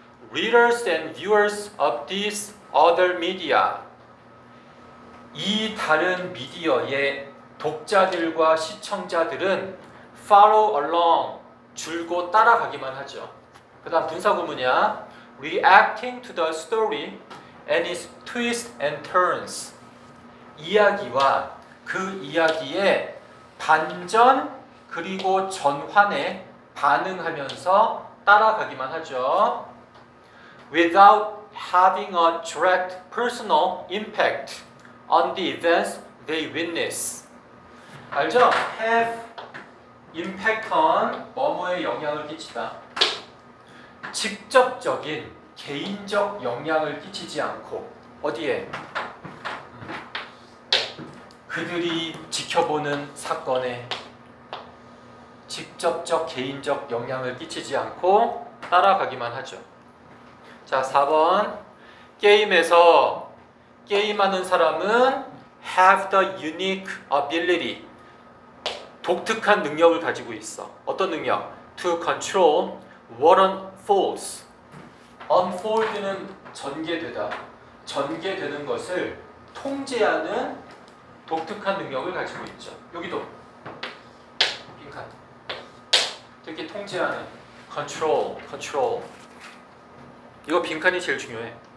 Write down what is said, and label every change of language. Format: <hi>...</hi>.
<en>Readers and viewers of these other media.</en> <ko>이 다른 미디어의 독자들과 시청자들은</ko> <en>follow along,</en> <ko>줄고 따라가기만 하죠. 그 다음 분사구문이야.</ko> <en>Reacting to the story and its twists and turns.</en> <ko>이야기와 그 이야기의 반전 그리고 전환에 반응하면서 따라가기만 하죠.</ko> <en>Without having a direct personal impact on the events they witness.</en> <ko>알죠?</ko> <en>Have impact on</en> <ko>뭐뭐에 영향을 끼치다. 직접적인 개인적 영향을 끼치지 않고 어디에? 그들이 지켜보는 사건에 직접적 개인적 영향을 끼치지 않고 따라가기만 하죠. 자, 4번. 게임에서 게임하는 사람은</ko> <en>have the unique ability.</en> <ko>독특한 능력을 가지고 있어. 어떤 능력?</ko> <en>To control what unfolds.</en> <ko>Unfold는 전개되다. 전개되는 것을 통제하는 독특한 능력을 가지고 있죠. 여기도 빈칸. 이렇게 통제하는 control. 이거 빈칸이 제일 중요해.</ko>